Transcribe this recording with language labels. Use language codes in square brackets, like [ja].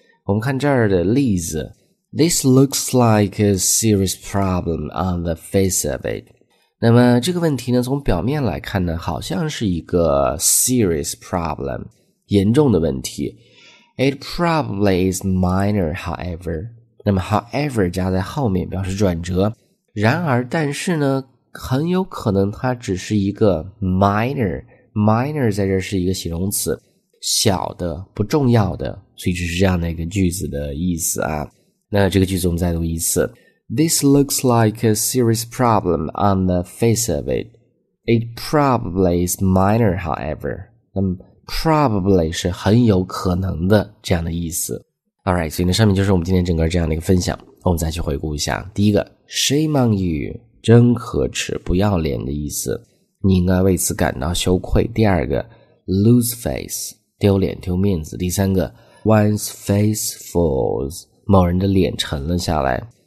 [zh] 我们看这儿的例子， [en] This looks like a serious problem on the face of it。 [zh] 那么这个问题呢，从表面来看呢，好像是一个 serious problem， 严重的问题。 [en] It probably is minor, however。 [zh] 那么 however 加在后面表示转折，然而但是呢，很有可能它只是一个 minor， minor 在这是一个形容词，小的、不重要的，所以就是这样的一个句子的意思啊。那这个句子我们再读一次。 [en] This looks like a serious problem on the face of it. It probably is minor, however. [zh] Probably 是很有可能的这样的意思。 Alright, 所以呢上面就是我们今天整个这样的一个分享。我们再去回顾一下。第一个 , [en] shame on you, [zh] 真可耻不要脸的意思。你应该为此感到羞愧。第二个 ,lose face, 丢脸丢面子。第三个 , [en] one's face falls, [zh] 某人的脸沉了下来。